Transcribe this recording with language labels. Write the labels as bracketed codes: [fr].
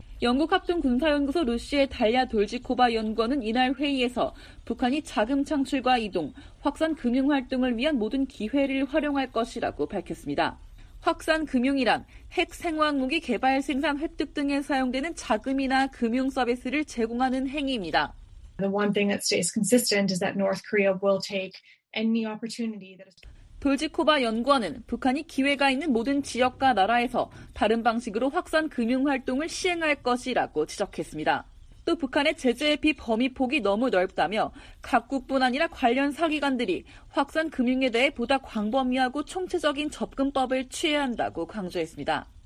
[ko] 영국합동군사연구소 루시의 달리아 돌지코바 연구원은 이날 회의에서 북한이 자금 창출과 이동, 확산 금융활동을 위한 모든 기회를 활용할 것이라고 밝혔습니다. 확산 금융이란 핵 생화학 무기 개발 생산 획득 등에 사용되는 자금이나 금융 서비스를 제공하는 행위입니다. [en] The one thing that stays consistent is that North Korea will take any opportunity that is [ko] 돌지코바 연구원은 북한이 기회가 있는 모든 지역과 나라에서 다른 방식으로 확산 금융활동을 시행할 것이라고 지적했습니다. 또 북한의 제재 피 범위 폭이 너무 넓다며 각국뿐 아니라 관련 사기관들이 확산 금융에 대해 보다 광범위하고 총체적인 접근법을 취해야 한다고 강조했습니다.